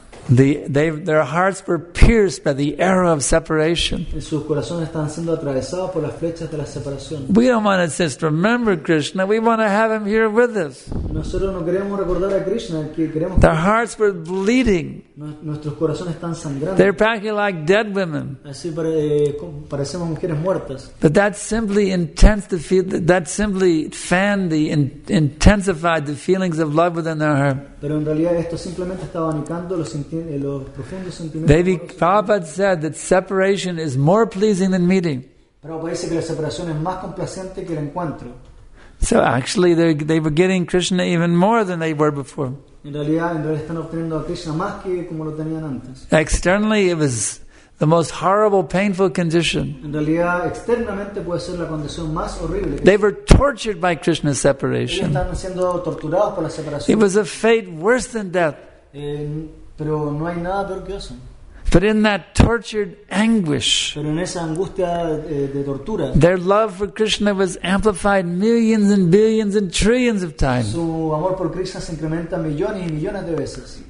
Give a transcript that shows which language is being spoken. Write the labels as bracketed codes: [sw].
[en] Their hearts were pierced by the arrow of separation. [es] Sus corazones están siendo atravesados por las flechas de la separación. [en] We don't want to just remember Krishna. We want to have him here with us. [es] Nosotros no queremos recordar a Krishna. [en] Their hearts were bleeding. [es] Nuestros corazones están sangrando. [en] They're packing like dead women. [es] Así parecemos mujeres muertas. [en] But that simply intensified the feelings of love within their heart. [es] Pero en realidad esto simplemente está abanicando los profundos sentimientos. [en] Devi Prabhupada said that separation is more pleasing than meeting. [es] Prabhupada dice que la separación es más complaciente que el encuentro. [en] So actually they were getting Krishna even more than they were before. [es] En realidad están obteniendo a Krishna más que como lo tenían antes. [en] Externally it was the most horrible, painful condition. [es] En realidad externamente puede ser la condición más horrible. [en] They were tortured by Krishna's separation. [es] Ellos están siendo torturados por la separación. [en] It was a fate worse than death. [es] Pero no hay nada peor que eso. [en] But in that tortured anguish, [es] pero en esa angustia de tortura, [en] their love for Krishna was amplified millions and billions and trillions of times. [es] Su amor por Krishna se incrementa millones y millones de veces.